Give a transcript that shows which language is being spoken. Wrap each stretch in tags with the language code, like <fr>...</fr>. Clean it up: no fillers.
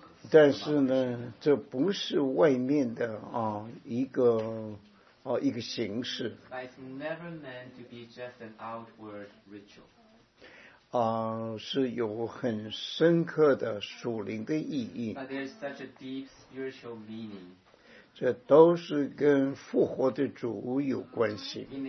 <zh>但是呢，这不是外面的一个形式。</zh> <en>It's never meant to be just an outward ritual.</en> <zh>是有很深刻的属灵的意义。</zh> <en>But there's such a deep spiritual meaning.</en> <zh>这都是跟复活的主有关系。</zh>